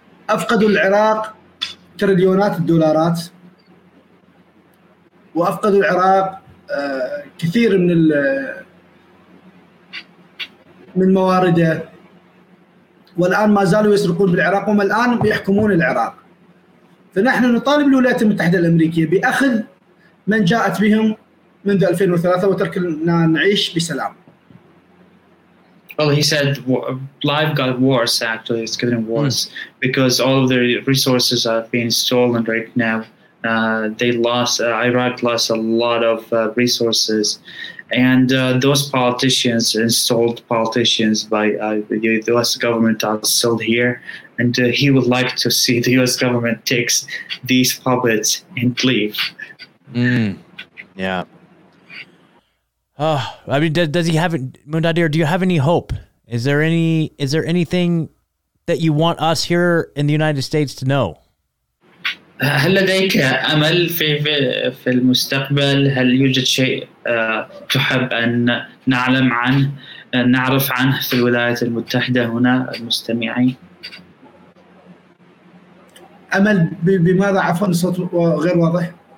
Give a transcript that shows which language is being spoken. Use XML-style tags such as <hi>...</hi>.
<ar>أفقدوا العراق تريليونات الدولارات وأفقدوا العراق كثير من موارده والآن ما زالوا يسرقون بالعراق وما الآن بيحكمون العراق فنحن نطالب الولايات المتحدة الأمريكية بأخذ من جاءت بهم منذ 2003 وتركنا نعيش بسلام.</ar> <en>Well, he said life got worse actually, it's getting worse because all of the resources are being stolen right now. Iraq lost a lot of resources. And those politicians, installed politicians by the U.S. government are still here. And he would like to see the U.S. government takes these puppets and leave. Yeah. Does he have it, Muntadhar, do you have any hope? Is there anything that you want us here in the United States to know?</en> <ar>هل لديك أمل في المستقبل؟ هل يوجد شيء تحب أن نعلم نعرف عنه في الولايات المتحدة هنا المستمعين؟ أمل بماذا عفوا صوت غير واضح؟</ar>